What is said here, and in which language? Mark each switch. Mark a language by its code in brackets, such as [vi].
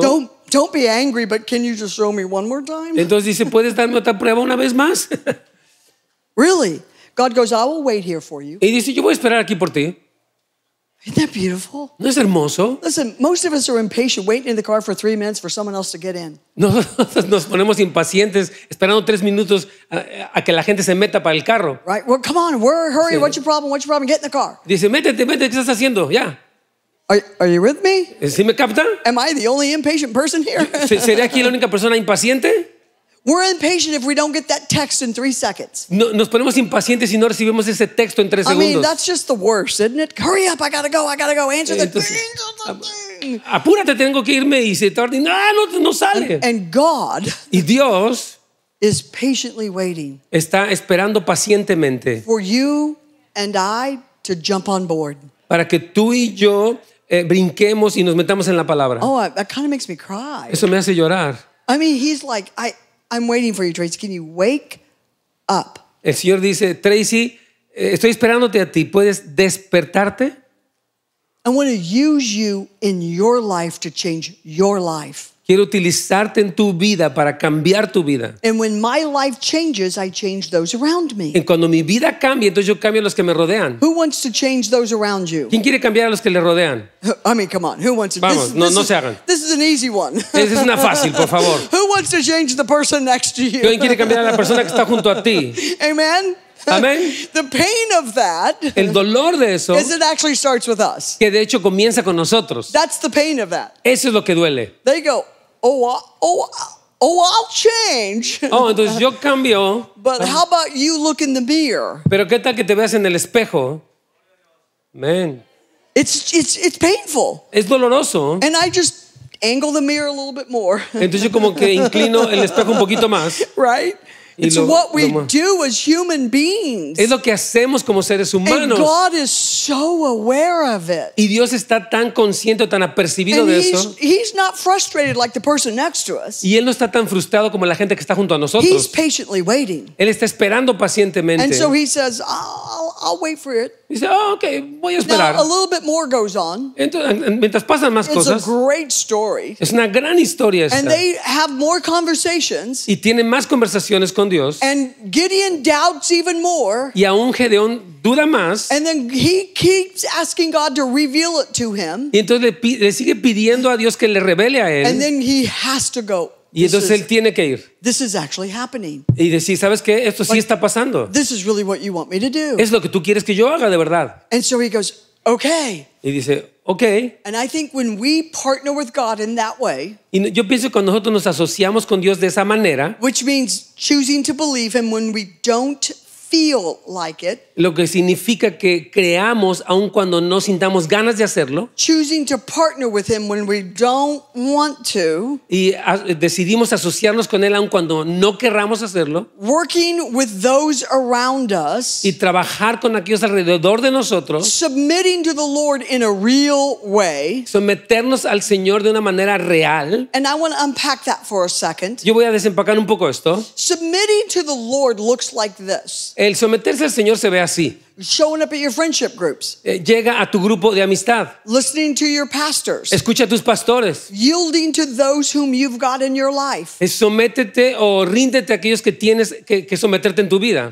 [en] Don't be angry, but can you just show me one more time? [es] Entonces dice, ¿puedes darme otra prueba una vez más? [en] Really? God goes, I will wait here for you. [es] Y dice, yo voy a esperar aquí por ti. [en] Isn't that beautiful? [es] ¿No es hermoso? [en] Listen, most of us are impatient, waiting in the car for 3 minutes for someone else to get in. [es] Nosotros nos ponemos impacientes, esperando 3 minutos a que la gente se meta para el carro. [en] Right? Well, come on, we're hurry. [es] Sí. [en] What's your problem? What's your problem? Get in the car. [es] Dice, métete, ¿qué estás haciendo? Ya. [en] Are you with me? [es] ¿Sí me capta? [en] Am I the only impatient person here? [es] ¿Seré aquí la única persona impaciente? [en] We're impatient if we don't get that text in 3 seconds. [es] No, nos ponemos impacientes si no recibimos ese texto en 3 segundos. [en] I mean, that's just the worst, isn't it? Hurry up, I gotta go, answer the thing. [es] Apúrate, tengo que irme y se tarda. No sale. [en] And God [es] y Dios [en] is patiently waiting. [es] Está esperando pacientemente. [en] For you and I to jump on board. [es] Para que tú y yo brinquemos y nos metamos en la palabra. [en] Oh, that kind of makes me cry. [es] Eso me hace llorar. [en] I mean, he's like, I'm waiting for you, Tracey. Can you wake up? [es] El Señor dice, Tracey, estoy esperándote a ti. ¿Puedes despertarte? [en] I want to use you in your life to change your life. [es] Quiero utilizarte en tu vida para cambiar tu vida. [en] And when my life changes, I change those around me. [es] Y cuando mi vida cambia, entonces yo cambio a los que me rodean. [en] Who wants to change those around you? [es] ¿Quién quiere cambiar a los que le rodean? [en] I mean, come on. Who wants to? [es] Vamos, no se hagan. [en] This is an easy one. [es] Esa es una fácil, por favor. [en] Who wants to change the person next to you? [es] ¿Quién quiere cambiar a la persona que está junto a ti? [en] Amen. [es] Amen. [en] The pain of that. [es] El dolor de eso. [en] Is it actually starts with us? [es] Que de hecho comienza con nosotros. [en] That's the pain of that. [es] Eso es lo que duele. [en] They go. Oh, I'll change. [es] Oh, entonces yo cambio. [en] But how about you look in the mirror? [es] Pero qué tal que te veas en el espejo. [en] Man. It's painful. [es] Es doloroso. [en] And I just angle the mirror a little bit more. [es] Entonces yo como que inclino el espejo un poquito más. [en] Right? It's what we do as human beings. [es] Es lo que hacemos como seres humanos. [en] And God is so aware of it. [es] Y Dios está tan consciente, tan apercibido [en] and [es] de eso. [en] He's not frustrated like the person next to us. [es] Y él no está tan frustrado como la gente que está junto a nosotros. [en] He's patiently waiting. [es] Él está esperando pacientemente. [en] And so he says, I'll wait for it. [es] Y dice, oh, okay, voy a esperar. [en] Now, a little bit more goes on. [es] Entonces, mientras pasan más [en] it's [es] cosas. [en] It's a great story. [es] Es una gran historia esta. [en] And they have more conversations. [es] Y tienen más conversaciones con Dios. [en] And Gideon doubts even more. [es] Y aún Gedeón duda más. [en] And then he keeps asking God to reveal it to him. [es] Y entonces le sigue pidiendo a Dios que le revele a él. [en] And then he has to go. [es] Y entonces él tiene que ir. [en] This is actually happening. [es] Y decir, ¿sabes qué? Esto sí está pasando. [en] This is really what you want me to do. [es] Es lo que tú quieres que yo haga de verdad. [en] And so he goes, okay. [es] Y dice, okay. [en] And I think when we partner with God in that way, [es] y yo pienso que cuando nosotros nos asociamos con Dios de esa manera, [en] which means choosing to believe him when we don't feel like it. [es] Lo que significa que creamos aun cuando no sintamos ganas de hacerlo. [en] Choosing to partner with him when we don't want to. [es] Y decidimos asociarnos con él aun cuando no querramos hacerlo. [en] Working with those around us. [es] Y trabajar con aquellos alrededor de nosotros. [en] Submitting to the Lord in a real way. [es] Someternos al Señor de una manera real. [en] And I want to unpack that for a second. [es] Yo voy a desempacar un poco esto. [en] Submitting to the Lord looks like this. [es] El someterse al Señor se ve así. [en] Showing up at your friendship groups. [es] Llega a tu grupo de amistad. [en] Listening to your pastors. [es] Escucha a tus pastores. [en] Yielding to those whom you've got in your life. [es] Sométete o ríndete a aquellos que tienes que someterte en tu vida.